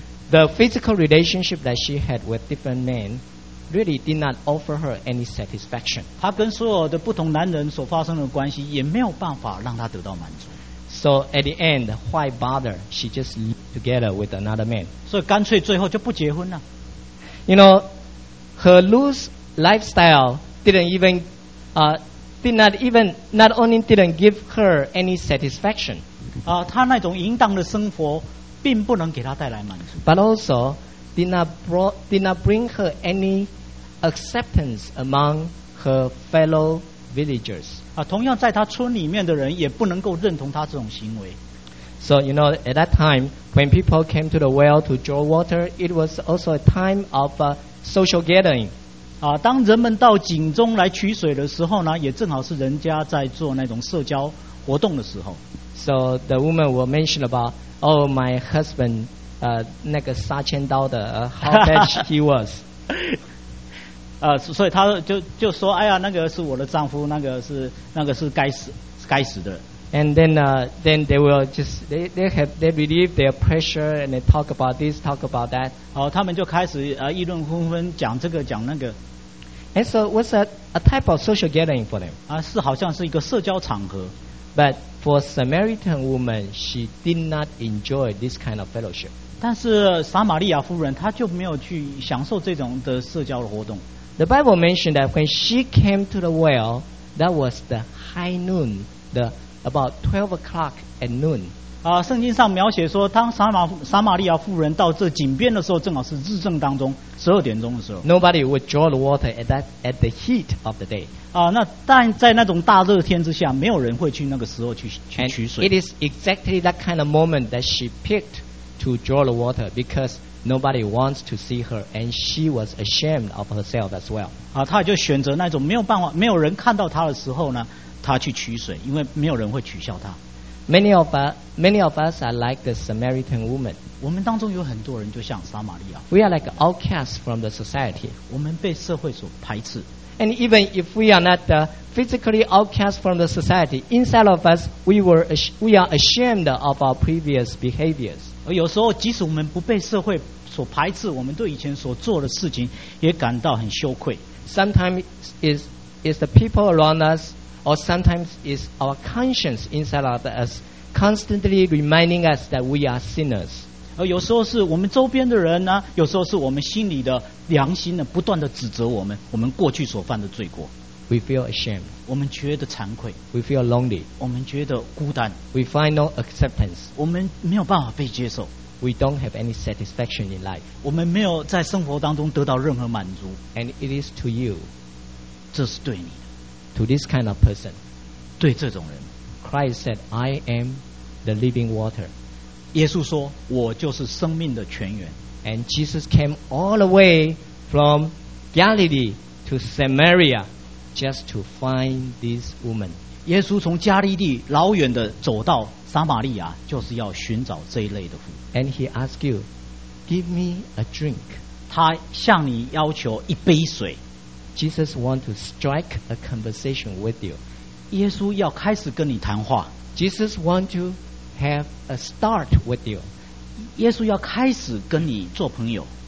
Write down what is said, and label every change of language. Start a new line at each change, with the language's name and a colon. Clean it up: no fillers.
English: The physical relationship that she had with different men. Really did not offer her any satisfaction.
Chinese: 她跟所有的不同男人所发生的关系也没有办法让她得到满足。
English: So at the end, why bother? She just lived together with another man.
Chinese: 所以干脆最后就不结婚了。
English: You know, her loose lifestyle not only didn't give her any satisfaction.
Chinese: 她那种淫荡的生活并不能给她带来满足。
English: But also. Did not bring her any acceptance among her fellow villagers.
Chinese: 同样在她村里面的人也不能够认同她这种行为。
English: So you know, at that time, when people came to the well to draw water, it was also a time of social gathering.
Chinese: 当人们到井中来取水的时候呢，也正好是人家在做那种社交活动的时候。
English: So the woman will mention about, oh, my husband.
Chinese: 那个杀千刀的
English: how bad he was
Chinese: 所以他就说哎呀那个是我的丈夫那个是该死的。
English: And then they will just they believe their pressure and they talk about this talk about that
Chinese: 他们就开始议论纷纷讲这个讲那个。
English: And so what's a type of social gathering for them
Chinese: 是好像是一个社交场合。
English: But for Samaritan woman, she did not enjoy this kind of fellowship.
Chinese: 但是撒玛利亚夫人她就没有去享受这种的社交的活动。
English: The Bible mentioned that when she came to the well, that was the high noon, the about 12 o'clock at noon.
Chinese: 圣经上描写说，当撒玛利亚夫人到这井边的时候，正好是日正当中十二点钟的时候。
English: Nobody would draw the water at the heat of the day.
Chinese: 那但在那种大热天之下，没有人会去那个时候去取水。
English: It is exactly that kind of moment that she picked to draw the water because nobody wants to see her, and she was ashamed of herself as well.
Chinese: 她就选择那种没有办法、没有人看到她的时候呢，她去取水，因为没有人会取笑她。
English: Many of us are like the Samaritan woman.
Chinese: 我们当中有很多人就像撒玛利亚。
English: We are like outcasts from the society.
Chinese: 我们被社会所排斥。
English: And even if we are not physically outcast from the society, inside of us, we are ashamed of our previous behaviors.
Chinese: 而有时候，即使我们不被社会所排斥，我们对以前所做的事情也感到很羞愧。
English: Sometimes it's the people around us, or sometimes it's our conscience inside of us constantly reminding us that we are sinners.
Chinese: 而有时候是我们周边的人呢、啊，有时候是我们心里的良心呢，不断的指责我们，我们过去所犯的罪过。
English: We feel ashamed.
Chinese: 我们觉得惭愧。
English: We feel lonely.
Chinese: 我们觉得孤单。
English: We find no acceptance.
Chinese: 我们没有办法被接受。
English: We don't have any satisfaction in life.
Chinese: 我们没有在生活当中得到任何满足。
English: And it is to you.
Chinese: 这是对你的。
English: To this kind of person.
Chinese: 对这种人。
English: Christ said, "I am the living water."
Chinese: 耶稣说我就是生命的泉源
English: And Jesus came all the way from Galilee to Samaria just to find this woman
Chinese: 耶稣从加利利老远的走到撒玛利亚就是要寻找这一类的妇
English: And he asked you give me a drink
Chinese: 他向你要求一杯水
English: Jesus wants to strike a conversation with you
Chinese: 耶稣要开始跟你谈话
English: Jesus wants toHave a start with you.
Chinese: 耶稣要开始跟你做朋友。